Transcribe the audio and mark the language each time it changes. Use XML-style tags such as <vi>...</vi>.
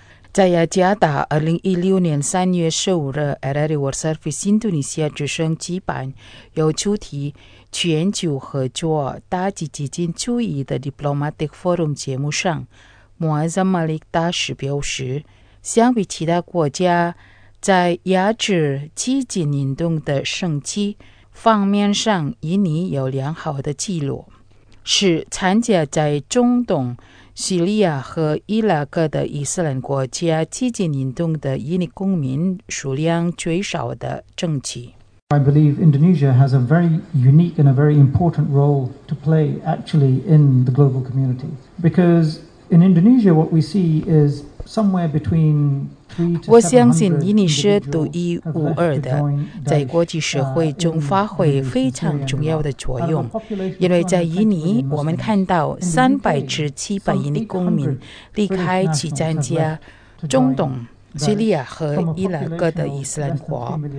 <zh>在雅加达2016年3月15日 RRI World Service Indonesia 之声举办有主题全球合作打击激进主义的 Diplomatic Forum 节目上，穆阿扎马里大使表示，相比其他国家在压制激进运动的升级方面上，印尼有良好的记录，是参加在中东、叙利亚和伊拉克的伊斯兰国家激进运动的印尼公民数量最少的政绩。</zh> <en>I believe Indonesia has a very unique and a very important role to play actually in the global community. Because in Indonesia, what we see is somewhere between</en> <zh>我相信印尼是独一无二的，在国际社会中发挥非常重要的作用。因为在印尼，我们看到300至700印尼公民离开其参加中东、叙利亚和伊拉克的伊斯兰国。</zh>